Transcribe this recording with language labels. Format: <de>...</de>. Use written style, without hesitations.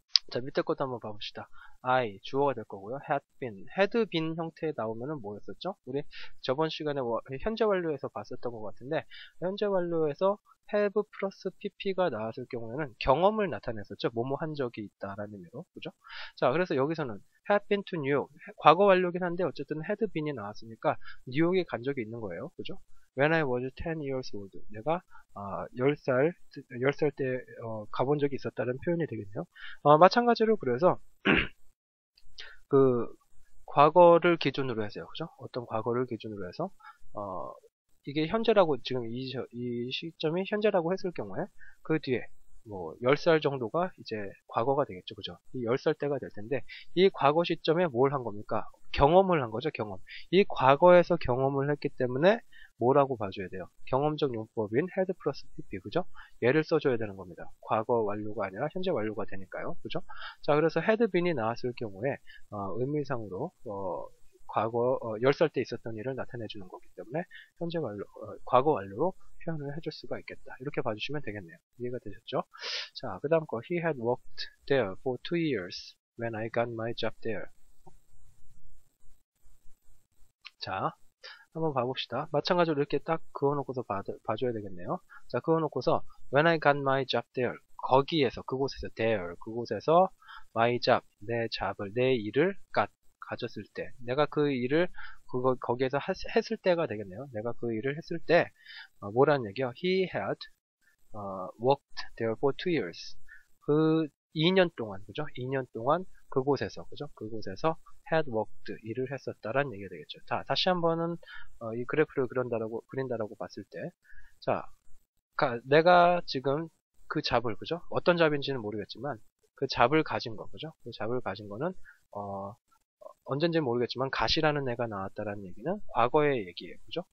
<ko>자, 밑에 것도 한번 봐봅시다. I 주어가 될 거고요. had been 형태에 나오면은 뭐였었죠? 우리 저번 시간에 현재 완료에서 봤었던 것 같은데 현재 완료에서 have 플러스 pp가 나왔을 경우에는 경험을 나타냈었죠. 뭐뭐 한 적이 있다라는 의미로, 그죠? 자, 그래서 여기서는</ko> <en>have been to New York.</en> <ko>과거 완료긴 한데 어쨌든 had been이 나왔으니까 뉴욕에 간 적이 있는 거예요, 그죠? When I was 10 years old. 내가 10살 때 가본 적이 있었다는 표현이 되겠네요. 마찬가지로 그래서 그 과거를 기준으로 해서요, 그죠? 어떤 과거를 기준으로 해서 이게 현재라고 지금 이 시점이 현재라고 했을 경우에 그 뒤에 뭐 10살 정도가 이제 과거가 되겠죠, 그죠? 이 10살 때가 될 텐데 이 과거 시점에 뭘한 겁니까? 경험을 한 거죠, 경험. 이 과거에서 경험을 했기 때문에 뭐라고 봐줘야 돼요? 경험적 용법인 head plus pp, 그죠? 얘를 써줘야 되는 겁니다. 과거 완료가 아니라 현재 완료가 되니까요. 그죠? 자, 그래서 had been이 나왔을 경우에, 의미상으로, 10살 때 있었던 일을 나타내주는 거기 때문에, 현재 완료, 과거 완료로 표현을 해줄 수가 있겠다. 이렇게 봐주시면 되겠네요. 이해가 되셨죠? 자, 그 다음 거,</ko> <en>he had worked there for 2 years when I got my job there.</en> <ko>자. 한번 봐봅시다. 마찬가지로 이렇게 딱 그어놓고서 봐줘야 되겠네요. 자, 그어놓고서</ko> <en>When I got my job there,</en> <ko>거기에서, 그곳에서, there, 그곳에서 my job, 내 job을, 내 일을 가졌을 때, 내가 그 일을 거기에서 했을 때가 되겠네요. 내가 그 일을 했을 때, 뭐라는 얘기요?</ko> <en>He had worked there for 2 years.</en> <ko>그 2년 동안, 그죠? 2년 동안 그곳에서, 그죠? 그곳에서</ko> <en>had worked,</en> <ko>일을 했었다라는 얘기가 되겠죠. 자, 다시 한번은, 이 그래프를 그린다라고 봤을 때. 자, 내가 지금 그 잡을, 그죠? 어떤 잡인지는 모르겠지만, 그 잡을 가진 거, 그죠? 그 잡을 가진 거는, 언젠지는 모르겠지만, 가시라는 애가 나왔다라는 얘기는 과거의 얘기예요, 그죠?</ko>